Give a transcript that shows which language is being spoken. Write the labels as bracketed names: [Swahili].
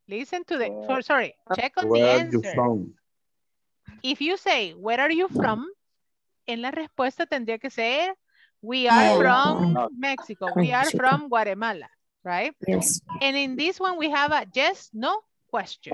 [English] Listen to the, sorry, check on where the answer. Where are you from? If you say, where are you from? [Spanish] En la respuesta tendría que ser, [English] we are from Guatemala. Right? Yes. And in this one, we have a yes, no question.